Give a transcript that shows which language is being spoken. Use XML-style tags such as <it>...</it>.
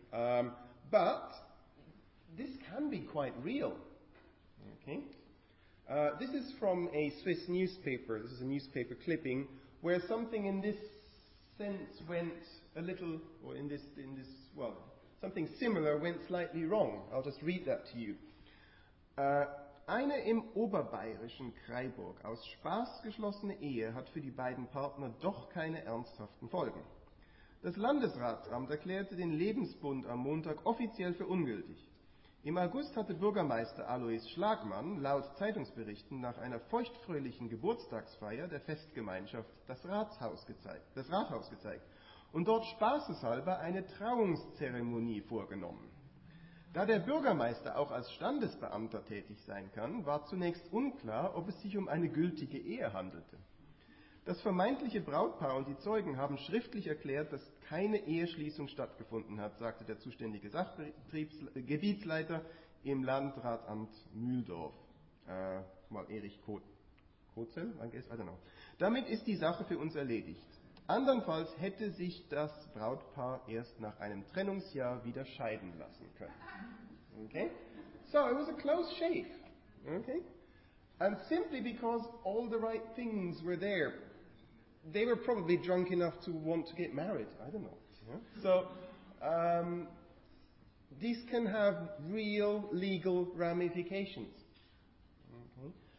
<en>But this can be quite real. Okay. This is from a Swiss newspaper. This is a newspaper clipping where something in this sense went a little, or in this well, something similar went slightly wrong. I'll just read that to you.</en> <de>Eine im oberbayerischen Kreiburg aus Spaß geschlossene Ehe hat für die beiden Partner doch keine ernsthaften Folgen. Das Landesratsamt erklärte den Lebensbund am Montag offiziell für ungültig. Im August hatte Bürgermeister Alois Schlagmann laut Zeitungsberichten nach einer feuchtfröhlichen Geburtstagsfeier der Festgemeinschaft das Rathaus gezeigt. Und dort spaßeshalber eine Trauungszeremonie vorgenommen. Da der Bürgermeister auch als Standesbeamter tätig sein kann, war zunächst unklar, ob es sich um eine gültige Ehe handelte. Das vermeintliche Brautpaar und die Zeugen haben schriftlich erklärt, dass keine Eheschließung stattgefunden hat, sagte der zuständige Sachgebietsleiter im Landratamt Mühldorf, Erich Kotzel,</de> <en>I guess, I don't know.</en> <de>Damit ist die Sache für uns erledigt. Andernfalls hätte sich das Brautpaar erst nach einem Trennungsjahr wieder scheiden lassen können.</de> <en>Okay? So, it was a close shave. Okay? And simply because all the right things were there, they were probably drunk enough to want to get married. I don't know. Yeah? So, these can have real legal ramifications. Okay?</en>